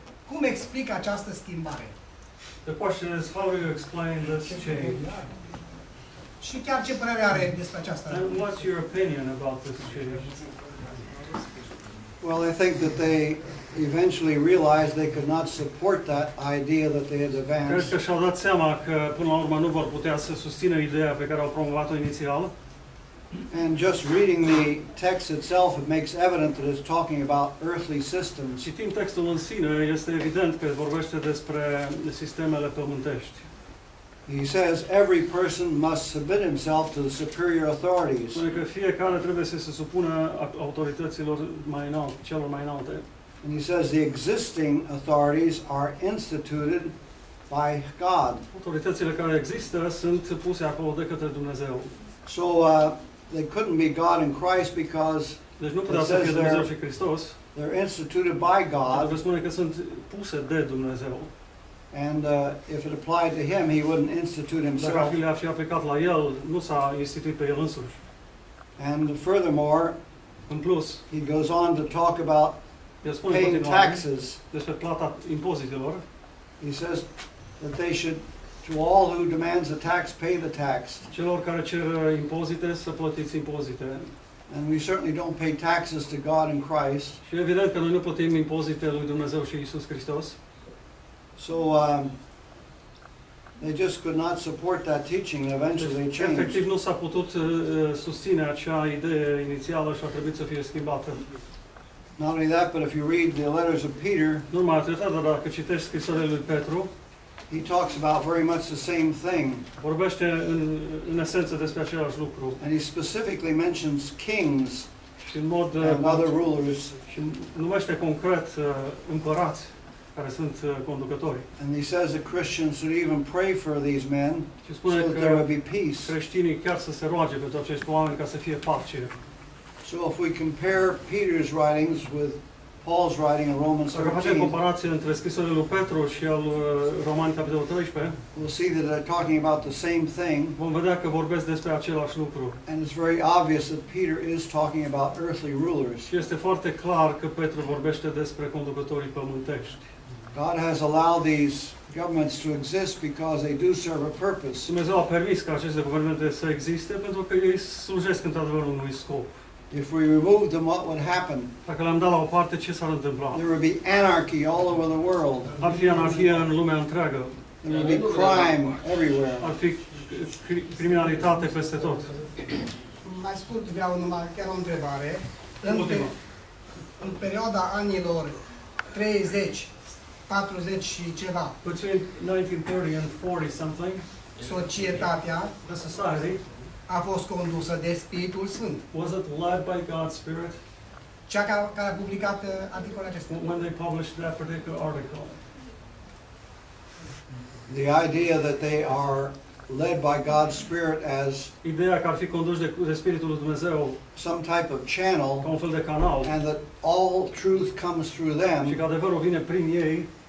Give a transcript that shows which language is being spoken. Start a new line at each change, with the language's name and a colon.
Romanian: Cum explic această schimbare?
English: The question is, how do you explain this change?
Romanian: Și chiar ce părere are despre aceasta?
English: And what's your opinion about this change? Well, I think that they eventually realized they could not support that idea that they had advanced.
Romanian: Cred că și-au dat seama că, până la urmă, nu vor putea să susțină ideea pe care au promovat-o inițial.
English: And just reading the text itself, it makes evident that it's talking about earthly systems.
Romanian: Citind textul în sine, este evident că vorbește despre sistemele pământești.
English: He says every person must submit himself to the superior authorities.
Romanian: Spune că fiecare trebuie să se supună autorităților mai înalte, celor mai înalte.
English: And he says the existing authorities are instituted by God.
Romanian: Autoritățile care există sunt puse acolo de către Dumnezeu.
English: So they couldn't be God and Christ because
Romanian: deci nu puteau să fie Dumnezeu și Hristos.
English: They're instituted by God.
Romanian: Dar spune că sunt puse de Dumnezeu.
English: And if it applied to him, he wouldn't institute himself.
Romanian: Dacă le-a fi aplicat la el, nu s-a instituit pe el însuși.
English: And furthermore,
Romanian: în plus,
English: he goes on to talk about paying taxes.
Romanian: Despre plata impozitelor.
English: He says that they should, to all who demands a tax, pay the tax.
Romanian: Celor care cer impozite, să plătiți impozite.
English: And we certainly don't pay taxes to God and Christ.
Romanian: Și evident că noi nu plătim impozite lui Dumnezeu și Iisus Hristos.
English: So they just could not support that teaching and eventually changed.
Romanian: Efectiv nu s-a putut susține acea idee inițială și a trebuit să fie schimbată.
English: Not only that, but if you read the letters of Peter,
Romanian: numai atâta, dar dacă citești scrisorile lui Petru,
English: he talks about very much the same thing.
Romanian: Vorbește în esență despre același lucru.
English: And he specifically mentions kings and other rulers.
Romanian: Și numește concret împărați care sunt conducători.
English: And he says that Christians should even pray for these men so that there would be peace.
Romanian: Creștinii chiar să se roage pentru acești oameni ca să fie pace.
English: So if we compare Peter's writings with Paul's writing in Romans 13,
Romanian: facem comparație între scrisorile lui Petru și al Romani capitolul 13,
English: we'll see that they're talking about the same thing.
Romanian: Vom vedea că vorbesc despre același lucru.
English: And it's very obvious that Peter is talking about earthly rulers.
Romanian: Și este foarte clar că Petru vorbește despre conducătorii pământești.
English: God has allowed these governments to exist because they do serve a purpose.
Romanian: Dumnezeu a permis ca aceste guvernante să existe pentru că ei slujesc într-adevăr unui scop.
English: If we remove them, what would happen?
Romanian: Dacă le-am dat la o parte, ce s-ar întâmpla?
English: There would be anarchy all over the world.
Romanian: Ar fi anarhie în lumea întreagă.
English: There would be crime everywhere.
Romanian: Ar fi criminalitate peste tot. Mai scurt, vreau numai chiar o întrebare. Ultima. În perioada anilor 30, 40 și ceva.
English: Between 1930 and 40 something.
Romanian: Societatea,
English: the society,
Romanian: a fost condusă de Spiritul Sfânt.
English: Was it led by God's Spirit?
Romanian: Cea care a publicat articolul acesta.
English: When they published that particular article. The idea that they are led by God's Spirit as
Romanian: ideea că ar fi condus de Spiritul lui Dumnezeu,
English: some type of channel,
Romanian: un fel de canal,
English: and that all truth comes through them,
Romanian: și că adevărul vine prin ei,